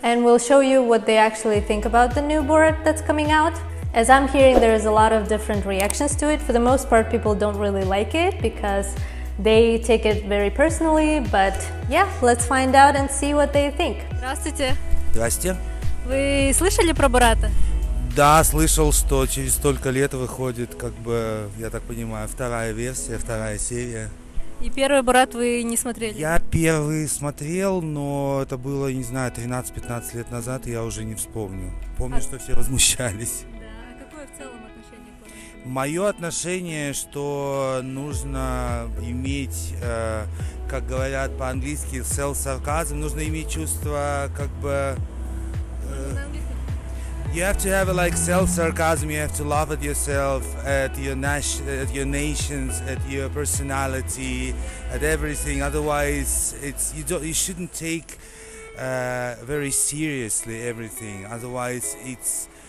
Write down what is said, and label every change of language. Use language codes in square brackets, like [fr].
[en] And we'll show you what they actually think about the new Borat that's coming out. As I'm hearing, there is a lot of different reactions to it. For the most part, people don't really like it because they take it very personally, but yeah, let's find out and see what they think. [ru] Здравствуйте. Здравствуйте. Вы слышали про Бората? Да, слышал, что через столько лет выходит, как бы, я так понимаю, вторая версия, вторая серия. И первый Борат вы не смотрели? Я первый смотрел, но это было, не знаю, 13-15 лет назад, и я уже не вспомню. Помню, что все возмущались. Мое отношение, что нужно иметь, как говорят по-английски, self-sarcasm, нужно иметь чувство, как бы... [en] You have to have like self-sarcasm, you have to laugh at yourself, at your nations, at your personality, at everything, otherwise it's, you shouldn't take very seriously everything, otherwise it's...